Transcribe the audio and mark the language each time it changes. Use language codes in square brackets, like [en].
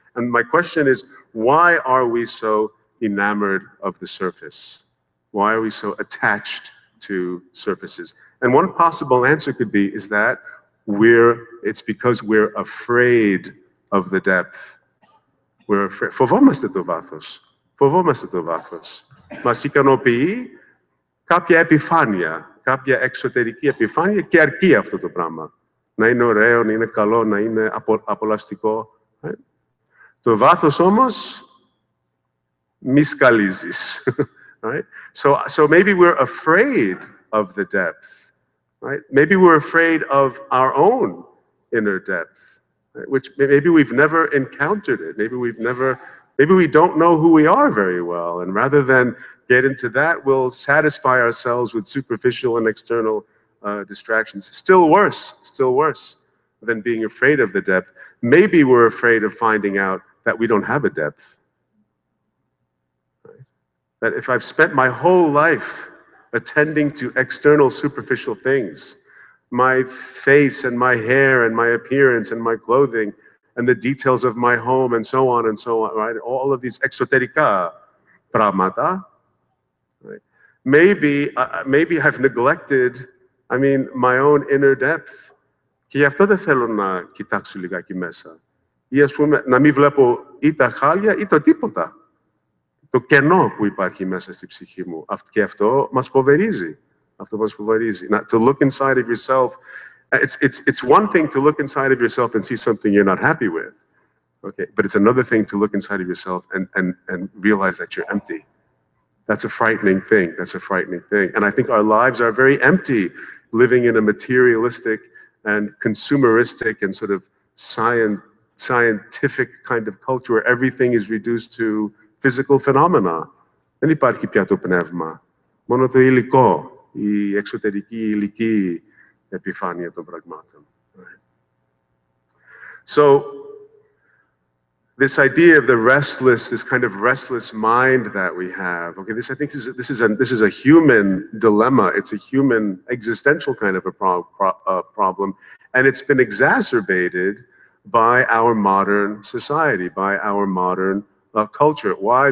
[en] And my question is, why are we so enamored of the surface? Why are we so attached to surfaces? And one possible answer could be is that it's because we're afraid of the depth. We're afraid. [el] Φοβόμαστε το βάθος. Φοβόμαστε το βάθος. Μας ικανοποιεί κάποια επιφάνεια, κάποια εξωτερική επιφάνεια και αρκεί αυτό το πράγμα. Να είναι ωραίο, να είναι καλό, να είναι απολαυστικό. Το βάθος όμως μη σκαλίζεις. [en] So maybe we're afraid of the depth. Right? Maybe we're afraid of our own inner depth, right? Which maybe we've never encountered it. Maybe we don't know who we are very well. And rather than get into that, we'll satisfy ourselves with superficial and external distractions. Still worse than being afraid of the depth. Maybe we're afraid of finding out that we don't have a depth. Right? That if I've spent my whole life attending to external superficial things, my face and my hair and my appearance and my clothing and the details of my home and so on, right? All of these [el] exoterica pramata, [en] right? Maybe I've neglected, my own inner depth. [el] Και γι' αυτό δεν θέλω να κοιτάξω λιγάκι μέσα. Ή ας πούμε, να μην βλέπω ή τα χάλια ή το τίποτα. Το κενό που υπάρχει μέσα στη ψυχή μου. Και αυτό μας φοβερίζει. Αυτό μας φοβερίζει. [en] Now, to look inside of yourself, it's one thing to look inside of yourself and see something you're not happy with. Okay, but it's another thing to look inside of yourself and realize that you're empty. That's a frightening thing. That's a frightening thing. And I think our lives are very empty, living in a materialistic and consumeristic and sort of scientific kind of culture where everything is reduced to physical phenomena. [el] Δεν υπάρχει πια το πνεύμα. Μόνο το υλικό, η εξωτερική υλική επιφάνεια των πραγμάτων. [en] So, this idea of the restless, this kind of restless mind that we have, okay, this is a human dilemma. It's a human existential kind of a problem. And it's been exacerbated by our modern society, by our modern culture. Why?